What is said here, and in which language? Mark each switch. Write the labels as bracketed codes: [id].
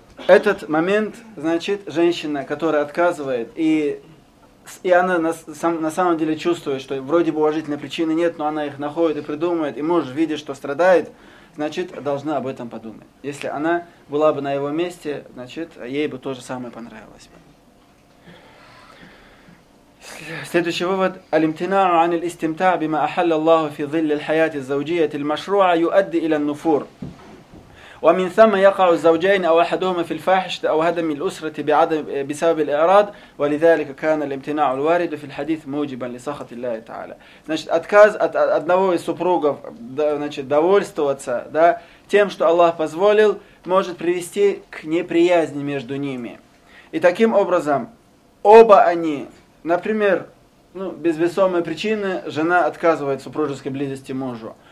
[ru] этот момент, значит, женщина, которая отказывает, и она на самом деле чувствует, что вроде бы уважительной причины нет, но она их находит и придумывает, и муж видит, что страдает, значит, должна об этом подумать. Если она была бы на его месте, значит, ей бы то же самое понравилось бы. Следующий вывод: [ar] «Алимтинау ан аль-истимта бима ахалла Аллаху фи зилли аль-хаяти аз-зауджийяти аль-машруа юадди иля ан-нуфур». ومن ثم يقع الزوجين أو أحدهما في الفاحشة أو هدم الأسرة بعدم بسبب الإعراض ولذلك كان الامتناع الوارد في الحديث موجبا لسخط الله تعالى. [ru] Значит, отказ от одного из супругов, значит, довольствоваться, да, тем, что Аллах позволил, может привести к неприязни между ними. И таким образом, оба они, например, ну, без весомой причины, жена отказывает супружеской близости мужу.